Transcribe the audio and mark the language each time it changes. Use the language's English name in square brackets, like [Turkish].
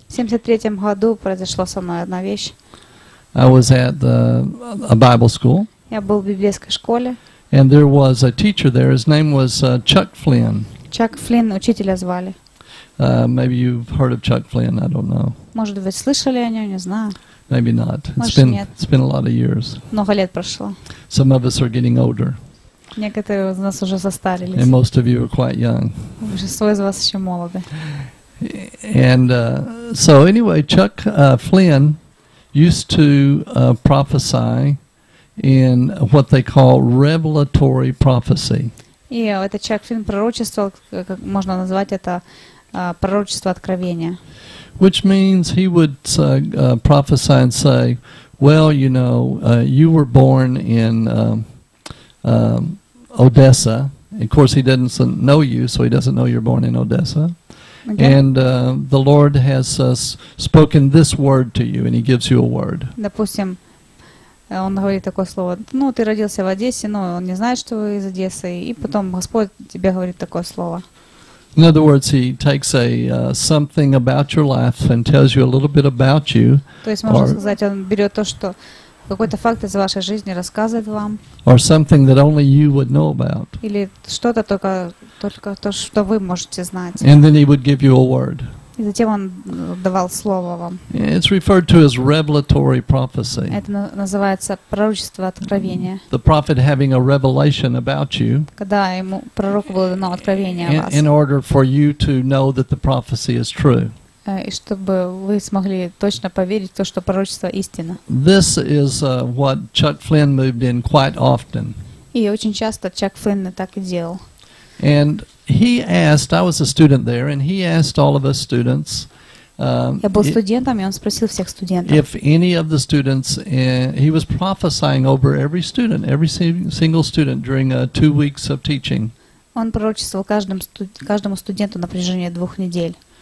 [Russian] В 73-м году произошло со мной одна вещь. [English] I was at a Bible school. [Russian] Я был в библейской школе. [English] And there was a teacher there. His name was Chuck Flynn. [Russian] Чак Флинн, учителя звали. [English] Maybe you've heard of Chuck Flynn, I don't know. [Russian] Может, вы слышали о нем, не знаю. [English] Maybe not. It's been a lot of years. [Russian] Много лет прошло. [English] Some of us are getting older. [Russian] Некоторые из нас уже состарились. [English] And most of you are quite young. [Russian] Большинство из вас еще молоды. [English] And so anyway, Chuck Flynn used to prophesy in what they call revelatory prophecy. [Russian] И этот Чак Флинн пророчествовал, как можно назвать это, пророчество откровения. [English] Which means he would prophesy and say, well, you know, you were born in Odessa. Of course, he doesn't know you, so he doesn't know you're born in Odessa. Okay. And the Lord has spoken this word to you, and he gives you a word. [Russian] Допустим, он говорит такое слово, ну, ты родился в Одессе, но он не знает, что вы из Одессы, и потом Господь тебе говорит такое слово. [English] In other words, he takes a something about your life and tells you a little bit about you. [Russian] То есть, можно сказать, он берет то, что какой-то факт из вашей жизни рассказывает вам. [English] Or something that only you would know about. [Russian] Или что-то только то, что вы можете знать. [English] And then he would give you a word. [Russian] И затем он давал слово вам. [English] It's referred to as revelatory prophecy. [Russian] Это называется пророчество откровения. [English] The prophet having a revelation about you. [Russian] Когда ему пророку было дано откровение о вас. [English] In order for you to know that the prophecy is true. [Russian] И чтобы вы смогли точно поверить в то, что пророчество истина. [English] This is what Chuck Flynn moved in quite often. [Russian] И очень часто Чак Флинн так и делал. [English] And he asked, I was a student there, and he asked all of us students, if any of the students, he was prophesying over every student, every single student during 2 weeks of teaching. [Russian] Он пророчествовал каждому студенту на протяжении двух недель.